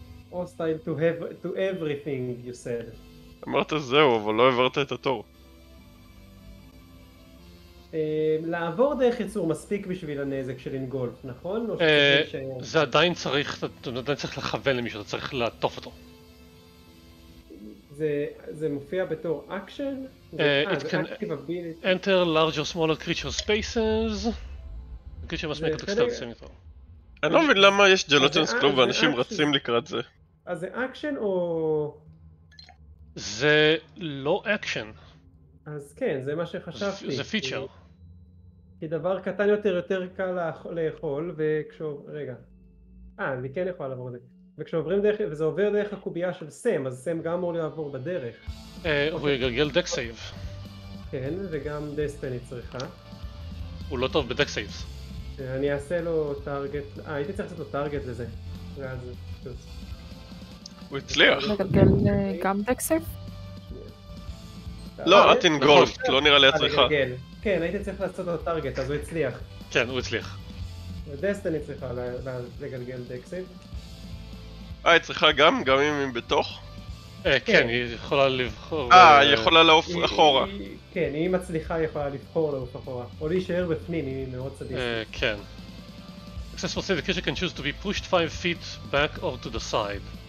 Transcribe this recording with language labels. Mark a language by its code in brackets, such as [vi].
[en] Hostile to have to everything you said. [he] אמרת זהו, אבל לא עברת את התור. לעבור דרך יצור מספיק בשביל הנזק של אינגולף, נכון? זה עדיין צריך, אתה עדיין צריך לכוון למישהו, אתה צריך לעטוף אותו. זה מופיע בתור אקשן? [en] It can enter large or smaller creature spaces. creature must make a dexterity saving throw. [he] אני לא מבין למה יש ג'לוטינס קלוב ואנשים רצים לקראת זה. אז זה אקשן או... זה לא אקשן. אז כן, זה מה שחשבתי. זה פיצ'ר. כי דבר קטן יותר, יותר קל לאכול, רגע. אני כן יכול לעבור דרך. וכשעוברים דרך, וזה עובר דרך הקובייה של סם, אז סם גם אמור לעבור בדרך. הוא יגלגל דק סייב. כן, וגם דסטיני צריכה. הוא לא טוב בדק סייבס. אני אעשה לו טארגט, הייתי צריך לעשות לו טארגט לזה. ואז הוא הצליח. לגלגל גם דק סייב? לא, את אינגולפת, לא נראה לי הצליחה. כן, הייתי צריך לעשות לו טארגט, אז הוא הצליח. כן, הוא הצליח. ודסטני צריכה לגלגל דקסיב. היא צריכה גם אם היא בתוך? כן, היא יכולה לבחור... היא יכולה לעוף אחורה. כן, אם היא מצליחה, היא יכולה לבחור לעוף אחורה. או להישאר בפנים, אם היא מאוד סדיסטית. כן. [en] Access for save, the creature can choose to be pushed 5 feet back or to the side.